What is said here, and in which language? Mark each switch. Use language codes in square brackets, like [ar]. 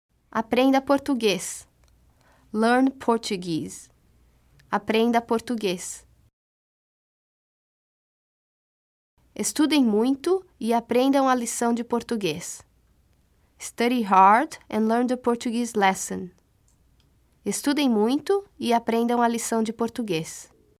[pt] Aprenda português. [en] Learn Portuguese. [pt] Aprenda português. Estudem muito e aprendam a lição de português. [en] Study hard and learn the Portuguese lesson. [pt] Estudem muito e aprendam a lição de português.